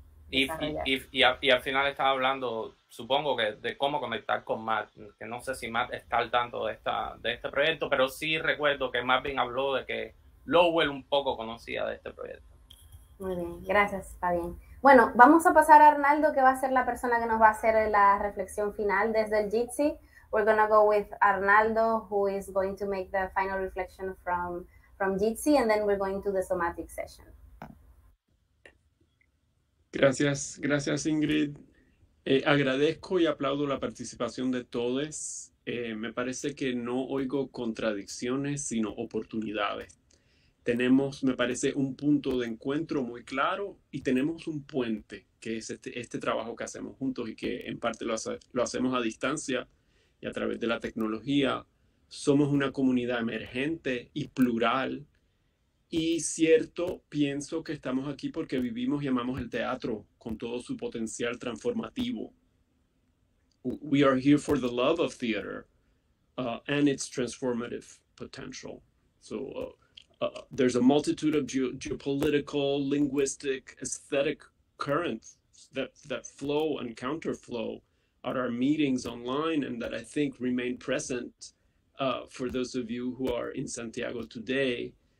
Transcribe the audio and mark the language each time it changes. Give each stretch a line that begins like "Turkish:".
Spanish: y al final estaba hablando, supongo que de cómo conectar con Matt, que no sé si Matt está al tanto de este proyecto, pero sí recuerdo que Marvin habló de que Lowell un poco conocía de este proyecto. Muy bien, gracias, Fabián. Bueno, vamos a pasar a Arnaldo, que va a ser la persona que nos va a hacer la reflexión final desde el Jitsi.
English: We're going to go with Arnaldo, who is going to make the final reflection from Jitsi, and then we're going to the somatic session.
Spanish: Gracias, Ingrid. Agradezco y aplaudo la participación de todos. Me parece que no oigo contradicciones, sino oportunidades. Tenemos, me parece, un punto de encuentro muy claro y tenemos un puente, que es este trabajo que hacemos juntos y que en parte lo hacemos a distancia y a través de la tecnología. Somos una comunidad emergente y plural Y cierto, pienso que estamos aquí porque vivimos y amamos el teatro con todo su potencial transformativo.
English: We are here for the love of theater and its transformative potential. So there's a multitude of geopolitical, linguistic, aesthetic currents that flow and counterflow at our meetings online, and that I think remain present for those of you who are in Santiago today.